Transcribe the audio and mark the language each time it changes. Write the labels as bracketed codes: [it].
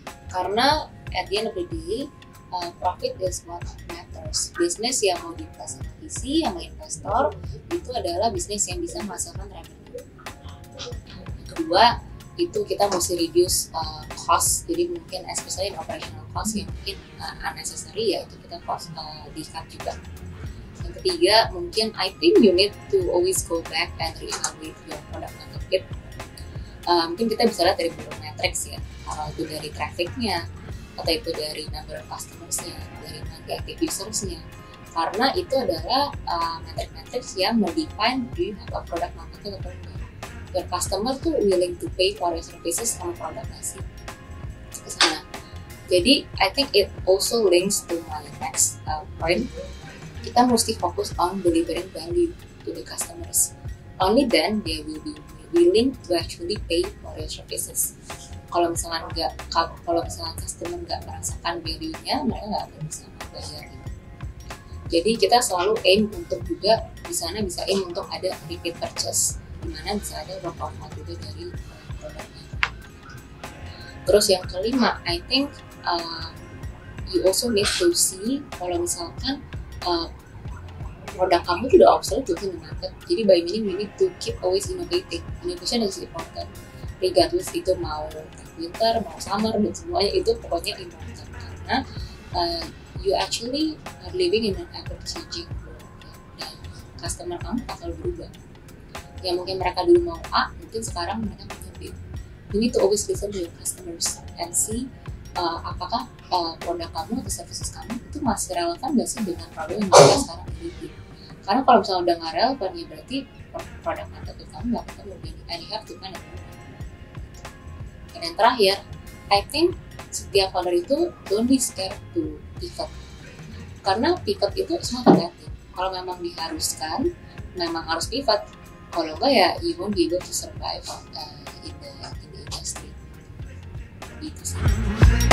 [id] Karena [en] at the end of the day, profit is what matters. [id] Business yang mau diinvest sama VC, yang mau investor, itu adalah bisnis yang bisa menghasilkan revenue. Kedua, itu kita mesti [en] reduce cost. [id] Jadi mungkin [en] especially operational cost [id] yang mungkin [en] unnecessary [id] ya, itu kita [en] cost [id] di-cut juga. Yang ketiga, mungkin [en] I think you need to always go back and re-evaluate your product market. [id] Mungkin kita bisa lihat dari beberapa [en] metrics [id] ya, itu dari [en] traffic- [id] nya, atau itu dari [en] number of customers- [id] nya, dari [en] number of active users- [id] nya. Karena itu adalah metrics-metrics yang mendefine di apa [en] product market [id] atau product. [en] Your customer [id] tuh [en] willing to pay for your services [id] sama [en] product [id] gak sih? Kesana. Jadi, [en] I think it also links to my next point. [id] Kita mesti fokus [en] on delivering value to the customers. Only then they will be willing to actually pay for your services. [id] Kalau misalnya nggak, kalau misalnya customer nggak merasakan value-nya, mereka nggak akan bisa membayar. Jadi kita selalu [en] aim [id] untuk juga di sana bisa aim untuk ada [en] repeat purchase, [id] di mana bisa ada beberapa juga dari produknya. Terus yang kelima, [en] I think you also need to see [id] kalau misalkan produk kamu sudah [en] obsolete [id] di market. Jadi [en] by meaning you need to keep always innovating. Innovation is important. Regardless [id] itu mau [en] winter, [id] mau [en] summer, [id] dan semuanya itu pokoknya [en] important. Karena you actually are living in an ever-changing world. [id] Dan customer kamu bakal berubah. Ya mungkin mereka dulu mau A, mungkin sekarang mereka mau B. [en] You need to always listen to your customers and see [id] apakah produk kamu atau services kamu itu masih relevan gak sih dengan problem yang mereka sekarang miliki. Karena kalau misalnya udah gak relevan, ya berarti produk market itu kamu gak ketemu. [en] And you have to find a new one. [id] Dan yang terakhir, [en] I think [id] setiap [en] founder [id] itu [en] don't be scared to pivot. [id] Karena pivot itu semua kreatif. Kalau memang diharuskan, memang harus pivot. Kalau enggak ya, [en] you won't be able to survive in the industry. [id] Itu sih.